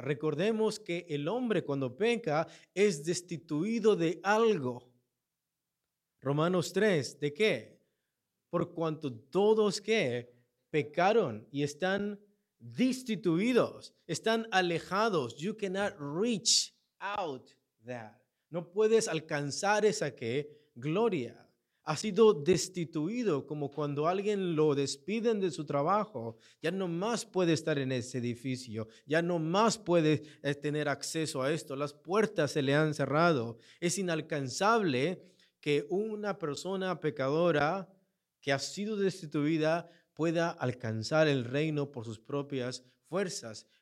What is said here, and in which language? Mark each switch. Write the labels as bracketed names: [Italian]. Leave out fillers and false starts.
[Spanish] Recordemos que el hombre cuando peca es destituido de algo. Romanos 3, ¿de qué? Por cuanto todos qué, pecaron y están destituidos, están alejados. [English] You cannot reach out that. [Spanish] No puedes alcanzar esa qué, gloria. Ha sido destituido, como cuando alguien lo despiden de su trabajo. Ya no más puede estar en ese edificio. Ya no más puede tener acceso a esto. Las puertas se le han cerrado. Es inalcanzable que una persona pecadora que ha sido destituida pueda alcanzar el reino por sus propias fuerzas.